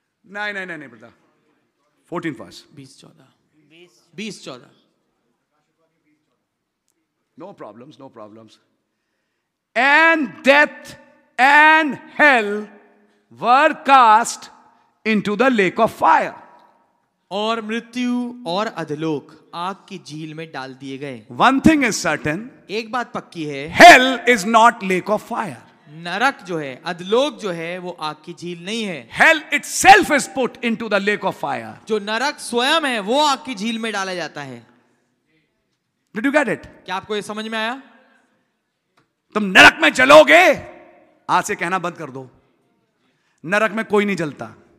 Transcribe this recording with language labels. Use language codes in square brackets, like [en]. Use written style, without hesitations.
[en] Nahi, brother. 14th verse. 20:14. No problems. And death and hell were cast into the lake of fire. [hi] और मृत्यु और अधलोक आग की झील में डाल दिए गए. [en] One thing is certain. [hi] एक बात पक्की है. [en] Hell is not lake of fire. [hi] नरक जो है, अधलोक जो है, वो आग की झील नहीं है. [en] Hell itself is put into the lake of fire. [hi] जो नरक स्वयं है, वो आग की झील में डाला जाता है. [en] Did you get it? [hi] क्या आपको ये समझ में आया? तुम नरक में जलोगे? आज से कहना बंद कर दो. नरक में कोई नहीं जलता.